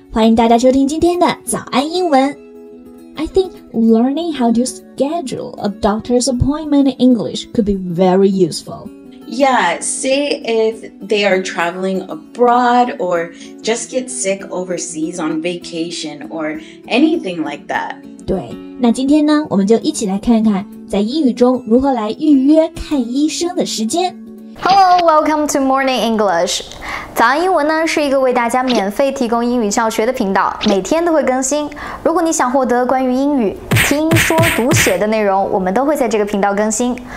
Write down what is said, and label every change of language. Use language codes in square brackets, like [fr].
[zh] 欢迎大家收听今天的早安英文。 [en] I think learning how to schedule a doctor's appointment in English could be very useful. Yeah, say if they are traveling abroad or just get sick overseas on vacation or anything like that. [zh] 对，那今天呢，我们就一起来看看在英语中如何来预约看医生的时间。 [en] Hello, welcome to Morning English. [zh] 早安英文呢是一个为大家免费提供英语教学的频道，每天都会更新。如果你想获得关于英语听说读写的内容，我们都会在这个频道更新。